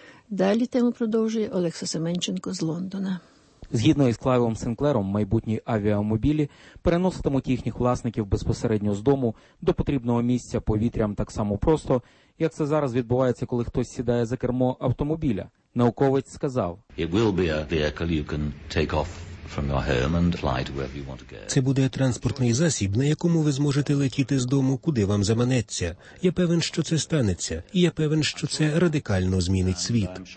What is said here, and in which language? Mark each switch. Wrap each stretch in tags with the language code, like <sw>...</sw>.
<uk>Далі тему продовжує Олекса Семенченко з Лондона. Згідно із Клайвом Сінклером, майбутні авіамобілі переноситимуть їхніх власників безпосередньо з дому до потрібного місця повітрям так само просто, як це зараз відбувається, коли хтось сідає за кермо автомобіля. Науковець сказав:</uk> <en>"It will be a vehicle you can take off from your home and fly to wherever you want to go.</en> <uk>Це буде транспортний засіб, на якому ви зможете летіти з дому, куди вам заманеться. Я певен, що це станеться, і я певен, що це радикально змінить світ.</uk>